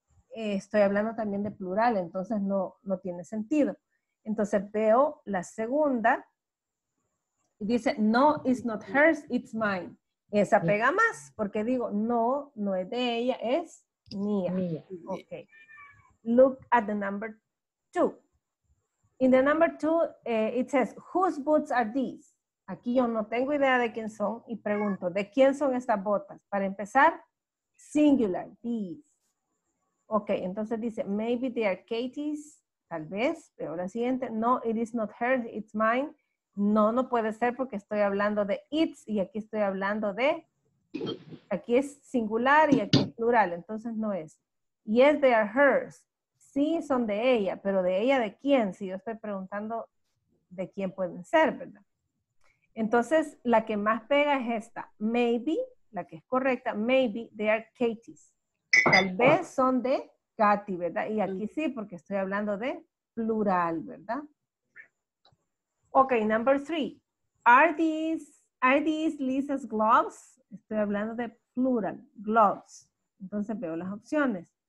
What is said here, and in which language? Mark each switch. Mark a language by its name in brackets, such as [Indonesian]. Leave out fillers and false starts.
[Spanish] Estoy hablando también de plural, entonces no tiene sentido. Entonces veo la segunda y dice, no, [English] it's not hers, it's mine. [Spanish] Esa pega más porque digo, no, no es de ella, es mía. [English] Ok. Look at the number two. In the number two, it says, whose boots are these? [Spanish] Aquí yo no tengo idea de quién son y pregunto, ¿de quién son estas botas? Para empezar, singular, [English] these. Ok, [Spanish] entonces dice, [English] maybe they are Katie's. [Spanish] Tal vez, pero la siguiente, [English] no, it is not hers, it's mine. [Spanish] No, no puede ser porque estoy hablando de it's y aquí estoy hablando de, aquí es singular y aquí es plural, entonces no es. [English] Yes, they are hers. [Spanish] Sí, son de ella, pero de ella, ¿de quién? Si yo estoy preguntando de quién pueden ser, ¿verdad? Entonces, la que más pega es esta. [English] Maybe, [Spanish] la que es correcta, [English] maybe they are Katie's. [Spanish] Tal vez son de Katy, ¿verdad? Y aquí sí, porque estoy hablando de plural, ¿verdad? [English] Ok, number three. Are these Lisa's gloves? [Spanish] Estoy hablando de plural, gloves. Entonces veo las opciones.